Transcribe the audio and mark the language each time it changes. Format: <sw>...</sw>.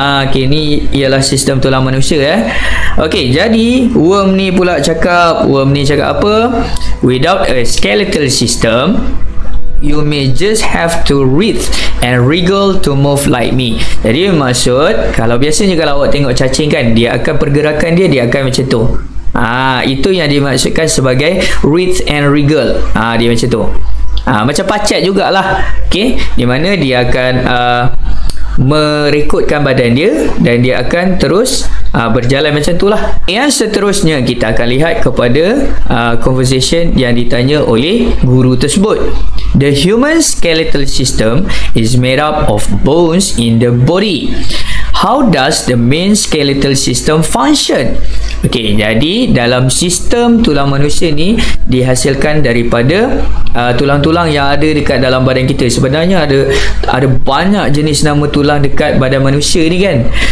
<ms>Okay, ni ialah sistem tulang manusia . Okay, jadi worm ni pula cakap, worm ni cakap apa?</ms> <en>Without a skeletal system, you may just have to writhe and wriggle to move like me.</en> <ms>Jadi maksud, kalau biasanya kalau awak tengok cacing kan, dia akan pergerakan dia, dia akan macam tu. Itu yang dimaksudkan sebagai</ms> <en>writhe and wriggle.</en> <ms>Dia macam tu. Macam pacat jugalah. Okay, di mana dia akan merekodkan badan dia dan dia akan terus berjalan macam tu lah. Yang seterusnya kita akan lihat kepada conversation yang ditanya oleh guru tersebut.</ms> <en>The human skeletal system is made up of bones in the body. How does the main skeletal system function?</en> <ms>Okay, jadi dalam sistem tulang manusia ni dihasilkan daripada tulang-tulang yang ada dekat dalam badan kita. Sebenarnya ada banyak jenis nama tulang dekat badan manusia ni kan.</ms>